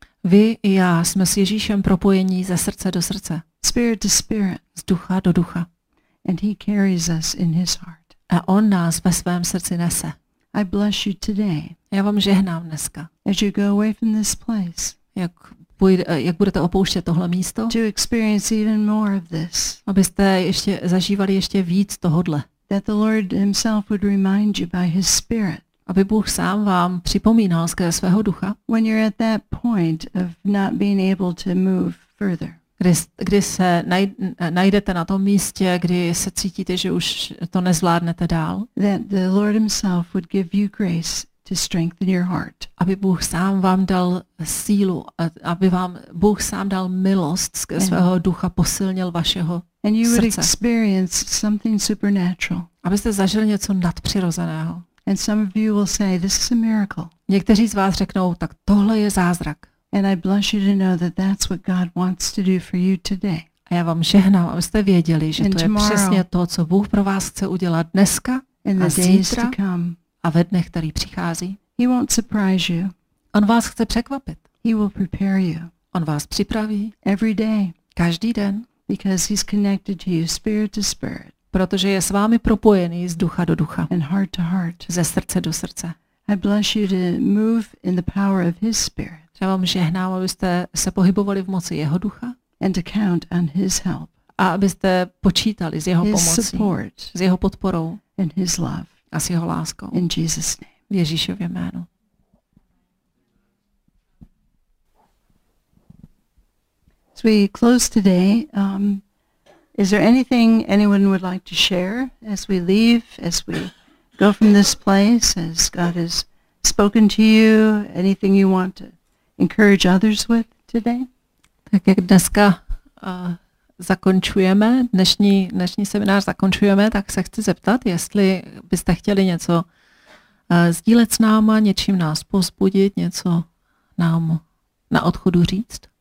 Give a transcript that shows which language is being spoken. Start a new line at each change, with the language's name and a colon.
Czech: Vy i já jsme s Ježíšem propojení ze srdce do srdce.
English: Spirit to spirit.
Czech: Z ducha do ducha.
English: And he carries us in his heart.
Czech: A on nás ve svém srdci nese.
English: I bless you today.
Czech: Já vám žehnám dneska.
English: As you go away from this place.
Czech: Jak budete opouštět tohle místo,
English: to experience even more of this,
Czech: abyste ještě zažívali ještě víc tohodle.
English: That the Lord himself would remind you by his spirit,
Czech: aby Bůh sám vám připomínal skrze svého ducha.
English: When you're at that point of not being able to move further,
Czech: kdy se najdete na tom místě, kdy se cítíte, že už to nezvládnete dál,
English: that the Lord himself would give you grace to strengthen your heart.
Czech: Aby Bůh sám vám dal sílu, aby vám Bůh sám dal milost skrze svého ducha, posilnil vašeho srdce.
English: And you would experience something supernatural.
Czech: Abyste zažili něco nadpřirozeného.
English: And some of you will say, this is a miracle.
Czech: Někteří z vás řeknou, tak tohle je zázrak.
English: And I bless you to know that that's what God wants to do for you today.
Czech: A já vám žehnám, abyste věděli, že to je přesně to, co Bůh pro vás chce udělat dneska a zítra. A ve dnech, který přichází.
English: He won't surprise you.
Czech: On vás chce překvapit.
English: He will prepare you.
Czech: On vás připraví.
English: Every day.
Czech: Každý den.
English: Because he's connected to you, spirit to spirit.
Czech: Protože je s vámi propojený z ducha do ducha.
English: And heart to heart.
Czech: Ze srdce do srdce.
English: I bless you to move in the power of his spirit.
Czech: Já vám žehnám, abyste se pohybovali v moci jeho ducha.
English: And to count on his help.
Czech: A abyste počítali s jeho
English: his
Czech: pomocí.
English: Support.
Czech: S jeho podporou.
English: And his love.
Czech: A s jeho láskou.
English: In Jesus name.
Czech: V Ježíšově jménu.
English: As we close today, is there anything anyone would like to share as we leave, as we go from this place, as God has spoken to you, anything you want to encourage others with today?
Czech: Tak jak dneska zakončujeme, dnešní seminář zakončujeme, tak se chci zeptat, jestli byste chtěli něco sdílet s náma, něčím nás povzbudit, něco nám na odchodu říct.